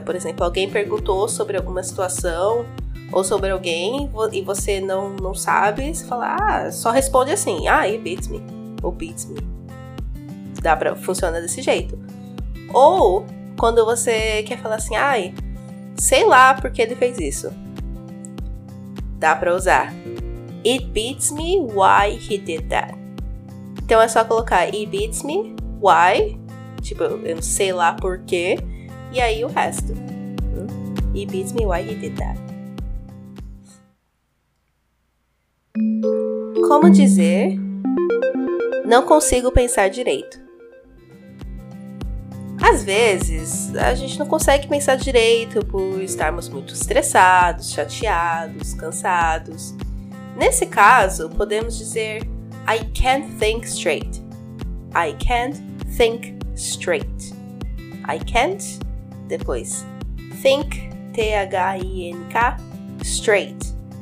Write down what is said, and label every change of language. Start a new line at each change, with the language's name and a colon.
Portuguese: Por exemplo, alguém perguntou sobre alguma situação ou sobre alguém e você não sabe, você fala, só responde assim,
English: it beats me,
Portuguese: ou
English: beats me.
Portuguese: Dá pra, funciona desse jeito. Ou, quando você quer falar assim, sei lá por que ele fez isso. Dá pra usar,
English: it beats me why he did that.
Portuguese: Então é só colocar,
English: it beats me why,
Portuguese: tipo, eu sei lá por quê, e aí o resto.
English: It beats me why he did that.
Portuguese: Como dizer, não consigo pensar direito. Às vezes, a gente não consegue pensar direito por estarmos muito estressados, chateados, cansados. Nesse caso, podemos dizer,
English: I can't think straight. I can't think straight. I can't, depois, think, T-H-I-N-K, straight.